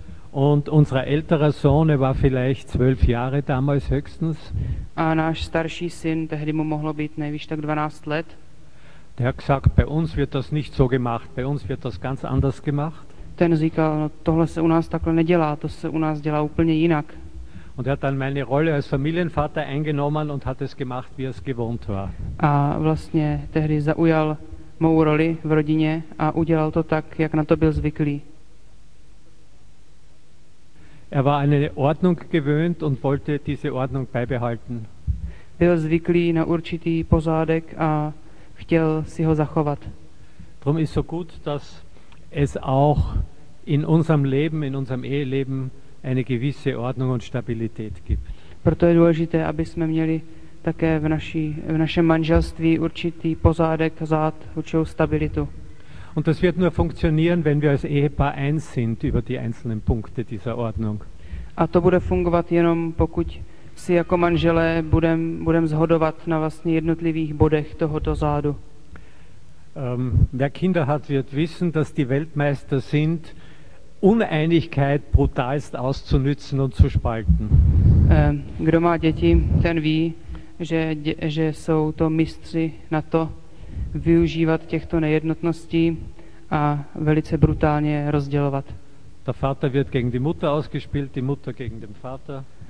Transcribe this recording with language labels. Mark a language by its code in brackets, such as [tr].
[de] Und unser älterer Sohn war vielleicht 12 Jahre damals höchstens. [cs] A náš starší syn, tehdy mu mohlo být nejvíc tak 12 let. [de] Der hat gesagt, bei uns wird das nicht so gemacht, bei uns wird das ganz anders gemacht. [cs] Ten říkal, no, tohle se u nás takhle nedělá, to se u nás dělá úplně jinak. [de] Und er hat dann meine Rolle als Familienvater eingenommen und hat es gemacht, wie es gewohnt war. [cs] A vlastně tehdy zaujal mou roli v rodině a udělal to tak, jak na to byl zvyklý. [de] Er war eine Ordnung gewöhnt und wollte diese Ordnung beibehalten. [cs] Byl zvyklý na určitý pořádek a chtěl si ho zachovat. [de] Drum ist so gut, dass es auch in unserem Leben, in unserem Eheleben eine gewisse Ordnung und Stabilität gibt. [cs] Proto je důležité, aby jsme měli také v našem manželství určitý pořádek, řád, určitou stabilitu. [de] Und das wird nur funktionieren, wenn wir als Ehepaar eins sind über die einzelnen Punkte dieser Ordnung. [cs] A to bude fungovat jenom, pokud si jako manželé budem zhodovat na vlastně jednotlivých bodech tohoto řádu. [de] Wer Kinder hat, wird wissen, dass die Weltmeister sind, Uneinigkeit brutalst auszunützen und zu spalten. [cs] Kdo má děti, ten ví, že jsou to mistři na to využívat těchto nejednotností a velice brutálně rozdělovat. [de] Der Vater wird gegen die Mutter ausgespielt, die Mutter gegen den Vater.